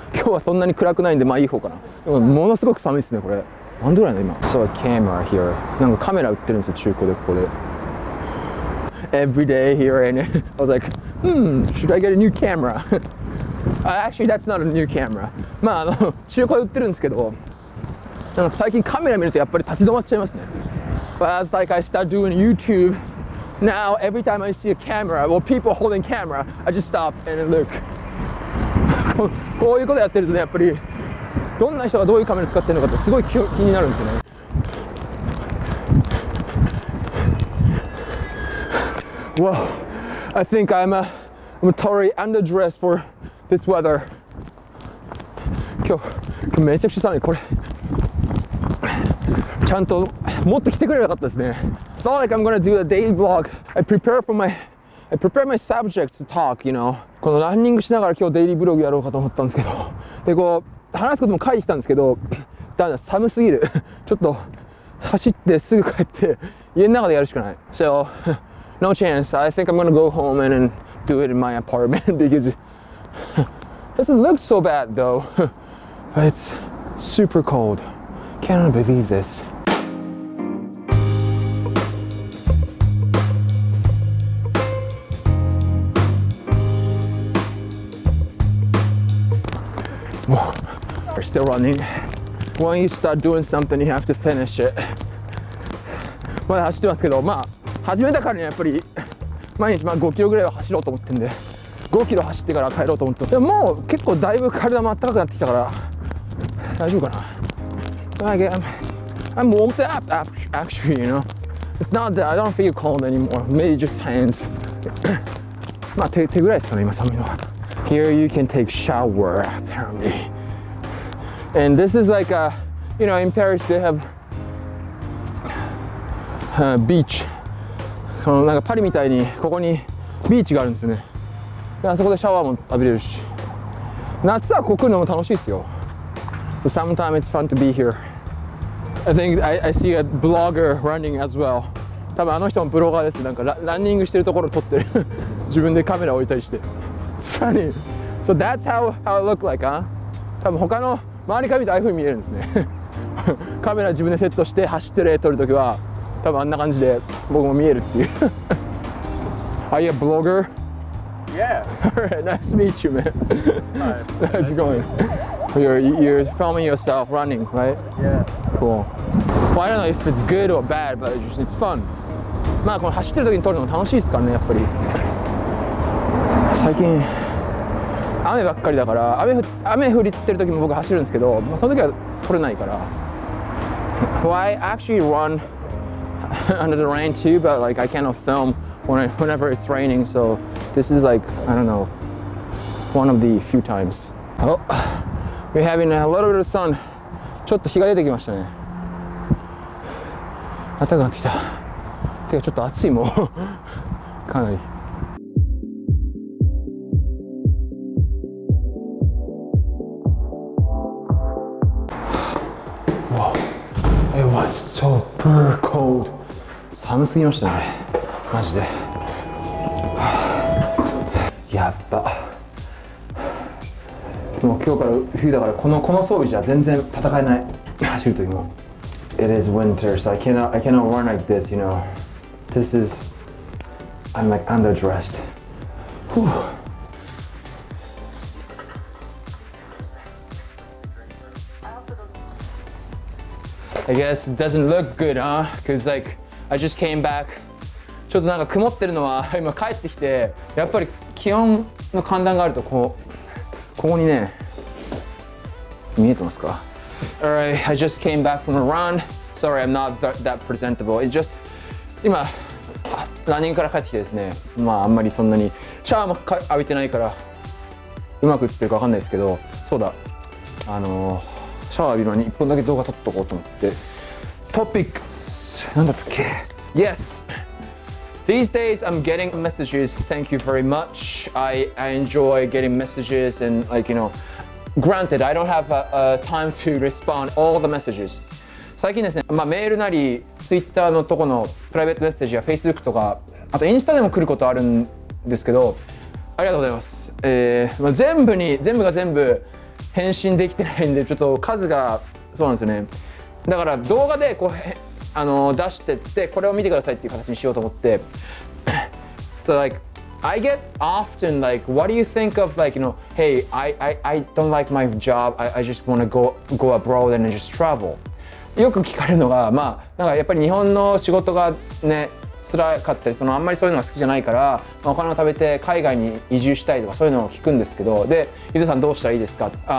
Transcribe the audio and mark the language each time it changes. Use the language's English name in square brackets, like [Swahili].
[Japanese] 今日はそんなに暗くないんで、まあいい方かな。でも、ものすごく寒いですね、これ。何度ぐらいだ、今。 [English] So a camera here. [Japanese] なんかカメラ売ってるんですよ、中古でここで。 [English] Every day here, and I was like, should I get a new camera? Actually, that's not a new camera. [Japanese] まあ、中古で売ってるんですけど、なんか最近カメラ見るとやっぱり立ち止まっちゃいますね。 [English] But as like I start doing YouTube,Now, every time I see a camera, or people holding camera, I just stop and look. [Japanese] こういうことやってるとね、やっぱりどんな人がどういうカメラ使ってるのかってすごい気になるんですよね。 [English] Wow, I think I'm totally underdressed for this weather. [Japanese] 今日めちゃくちゃ寒い。これちゃんともっと来てくれなかったですね。 [English] I thought like I'm gonna do a daily vlog. I prepare my subjects to talk, you know. [Japanese] このランニングしながら今日デイリーブログやろうかと思ったんですけど、でこう話すことも書いてきたんですけど、だんだん寒すぎる。ちょっと走ってすぐ帰って家の中でやるしかない。 [English] So no chance. I think I'm gonna go home and do it in my apartment because it doesn't look so bad though. But it's super cold. Cannot believe this. Still running. When you start doing something, you have to finish it. [Japanese] まだ走ってますけど、まあ始めたからね、やっぱり毎日まあ5キロぐらいは走ろうと思ってんで、5キロ走ってから帰ろうと思って。でももう結構だいぶ体も暖かくなってきたから大丈夫かな。 [English] I get, I'm warmed up actually, you know. It's not that I don't feel cold anymore. Maybe just hands. [Japanese] まあ手ぐらいですかね、今寒いのは。 [English] Here you can take shower apparently. And this is like a, you know, in Paris they have a beach. [Japanese] Like Paris みたいにここにビーチがあるんですよね。で、あそこでシャワーも浴びれるし。夏はここ来るのも楽しいですよ。 [English] So sometimes it's fun to be here. I think I see a blogger running as well. [Japanese] 多分あの人もブロガーです。なんか ランニングしてるところ撮ってる。自分でカメラ置いたりして。 [English] It's funny. So that's how it look like, huh? [Japanese] 多分他の周りから見てああいう風に見えるんですね。カメラ自分でセットして走ってる絵撮るときは多分あんな感じで僕も見えるっていう。 [English] Are you a blogger? Yeah. Alright, nice to meet you, man. Hi. How's it going? You're filming yourself running, right? Yeah. Cool. Well, I don't know if it's good or bad, but it's fun. [Japanese] まあこの走ってるときに撮るのも楽しいですからね、やっぱり。最近雨ばっかりだから、雨降りってる時も僕走るんですけど、まあ、その時は取れないから。 [English] Well, I actually run under the rain too, but like I cannot film whenever it's raining, so this is like, I don't know, one of the few times. Oh, we're having a little bit of sun. [Japanese] ちょっと日が出てきましたね。暖かくなってきた。てかちょっと暑いもう。かなり。 [English] Super cold. [Japanese] 寒すぎましたね、マジで。やった、もう今日から冬だからこの装備じゃ全然戦えない、走るときも。 [English] It is winter, so I cannot run like this, you know. This is I'm like underdressed. I guess it doesn't look good, huh? Cause like, I just came back. [Japanese] ちょっとなんか曇ってるのは今帰ってきて、やっぱり気温の寒暖があるとここにね、見えてますか？ [English] Alright, I just came back from a run. Sorry, I'm not that presentable. It's just [Japanese] 今ランニングから帰ってきてですね、まああんまりそんなにシャワーも浴びてないからうまく映ってるか分かんないですけど、そうだ、シャワー浴びる前に1本だけ動画撮っとこうと思って、トピックス何だったっけ。 [English] Yes, these days I'm getting messages. Thank you very much. I enjoy getting messages and like, you know, granted, I don't have a time to respond all the messages. [Japanese] 最近ですね、まあメールなり Twitter のとこのプライベートメッセージや Facebook とか、あとインスタでも来ることあるんですけど、ありがとうございます。まあ、全部が全部返信できてないんで、ちょっと数がそうなんですよね。だから動画でこう出してってこれを見てくださいっていう形にしようと思って。 [English] So like, I get often like, what do you think of like, you know, hey, I don't like my job. I just wanna go abroad and just travel. [Japanese] よく聞かれるのが、まあなんかやっぱり日本の仕事がね辛かったり、そのあんまりそういうのが好きじゃないから、まあ、お金を食べて海外に移住したいとかそういうのを聞くんですけど、で、ゆずさんどうしたらいいですか。